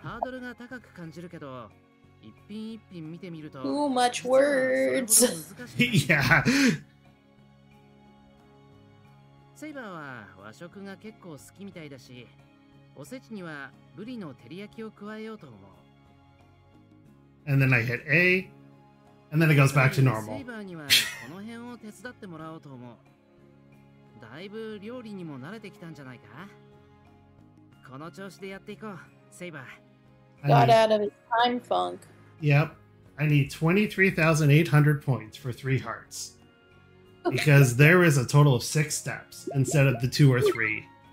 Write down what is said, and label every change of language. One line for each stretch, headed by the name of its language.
Japanese: ハードルが高く感じるけど、一品一品見てみると。
English: Too much words. Yeah.
Japanese: セイバーは和食が結構好きみたいだし、おせちにはブリの照り焼きを加えようと思う。
English: And then I hit A, and then it goes back to normal.
Japanese: セイバーにはこの辺を手伝ってもらおうと思う。だいぶ料理にも慣れてきたんじゃないか。この調子でやっていこう、セイバー。
English: Got out of his time funk. Yep, I need 23,800 points for three hearts, because there is a total of six steps instead of the two or three.